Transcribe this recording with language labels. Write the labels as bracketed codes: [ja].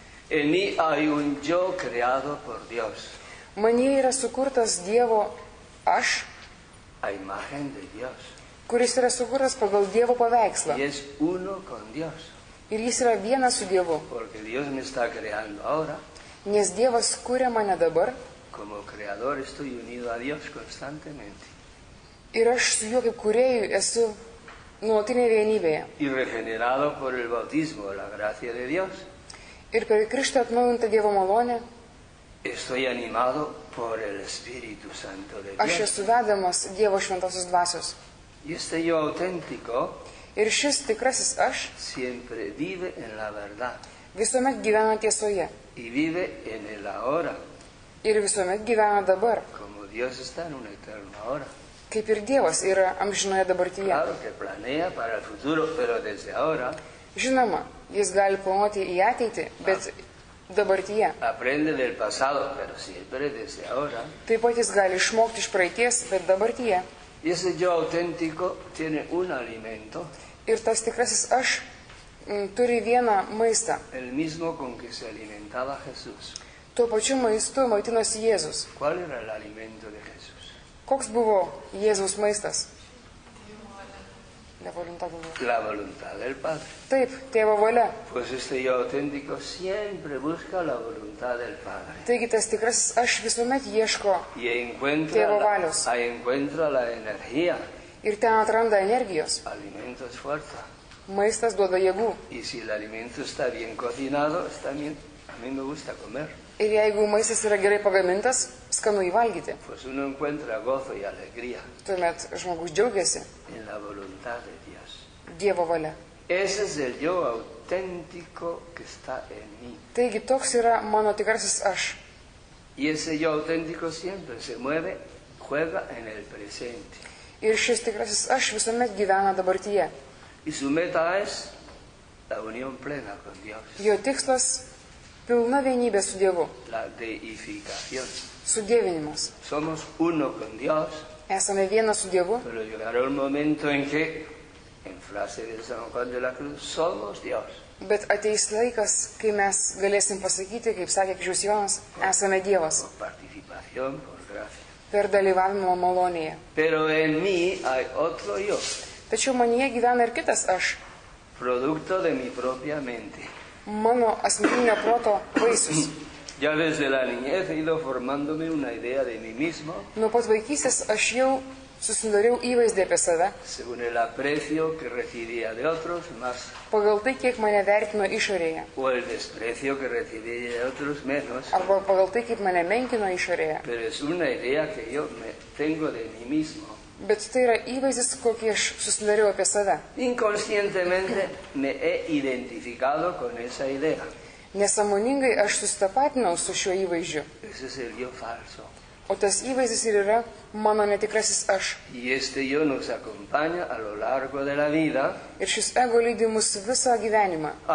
[es] En mí hay un yo creado por Dios. [lt] Manyje yra sukurtas Dievo aš. [es] A imagen de Dios. [lt] Kuris yra sukurtas pagal Dievo paveikslą. [es] Y es uno con Dios. [lt] Ir jis yra vienas su Dievu. [es] Porque Dios me está creando ahora. [lt] Nes Dievas kuria mane dabar. [es] Como creador estoy unido a Dios constantemente. [lt] Ir aš su Juo kaip kūrėju esu nuolatinėje vienybėje. [es] Y regenerado por el bautismo, la gracia de Dios. [lt] Ir per krikštą atnaujinta Dievo malonė. [es] Estoy animado por el Espíritu Santo de Dios. [lt] Aš esu vedamas Dievo šventosios dvasios. [es] Y este yo auténtico. [lt] Ir šis tikrasis aš [es] siempre vive en la verdad. [lt] Visuomet gyvena tiesoje. [es] Y vive en el ahora. [lt] Ir visuomet gyvena dabar. [es] Como Dios está en un eterno ahora. [lt] Kaip ir Dievas yra amžinoje dabartyje. [es] Claro que planea para el futuro, pero desde ahora. [lt] Žinoma, jis gali planuoti į ateitį, bet dabartyje. [es] Aprende del pasado, pero siempre desde ahora. [lt] Taip pat jis gali išmokti iš praeities, bet dabartyje. [es] Jis jo autentiko, tiene un alimento. [lt] Ir tas tikrasis aš turi vieną maistą. [es] El mismo con que se alimentaba Jesús. [lt] Tuo pačiu maistu maitinosi Jėzus. [es] ¿Cuál era el alimento de Jesús? [lt] Koks buvo Jėzus maistas? [es] La voluntad del Padre. [lt] Taip, tėvo valia. [es] Pues este yo auténtico siempre busca la voluntad del Padre. [lt] Taigi tas tikrasis aš visuomet ieško tėvo valios. [es] Y encuentra la energía. [lt] Ir ten atranda energijos. [es] Alimento es fuerza. [lt] Maistas duoda jėgų. [es] Y si el alimento está bien cocinado, está bien, a mí me gusta comer. [lt] Ir jeigu maistas yra gerai pagamintas, skanu įvalgyti. [es] Pues uno encuentra gozo y alegría. [lt] Tuomet žmogus džiaugiasi. [es] En la voluntad de Dios. [lt] Dievo valia. [es] Ese es el yo auténtico que está en mí. [lt] Taigi toks yra mano tikrasis aš. [es] Y ese yo auténtico siempre se mueve, juega en el presente. [lt] Ir šis tikrasis aš visuomet gyvena dabartyje. [es] Y su meta es la unión plena con Dios. [lt] Jo tikslas pilna vienybė su Dievu. [es] La deificación. [lt] Sudievinimas. [es] Somos uno con Dios. [lt] Esame vienas su Dievu. [es] Pero llegará un momento en que, en frase de San Juan de la Cruz, somos Dios. [lt] Bet ateis laikas, kai mes galėsim pasakyti, kaip sakė Kryžiaus Jonas, esame Dievas. [es] Por participación, por gracia. [lt] Per dalyvavimo malonėje. [es] Pero en mí hay otro yo. [lt] Tačiau manyje gyvena ir kitas aš. [es] Producto de mi propia mente. [lt] Mano asmeninio proto vaisius. [es] Ya desde la niñez he ido formándome una idea de mí mismo. [lt] Nuo pat vaikystės aš jau susidariau įvaizdį apie save. [es] Según el aprecio que recibía de otros, más. [lt] Pagal tai, kiek mane vertino išorėje. [es] O el desprecio que recibía de otros, menos. [lt] Arba pagal tai, kaip mane menkino išorėje. [es] Pero es una idea que yo me tengo de mí mismo. [lt] Bet tai yra įvaizdis, kokį aš susidariau apie save. [es] Inconscientemente me he identificado con esa idea. [lt] Nesąmoningai aš susitapatinau su šiuo įvaizdžiu. O tas įvaizdis ir yra mano netikrasis aš. Ir šis ego lydi mus visą gyvenimą.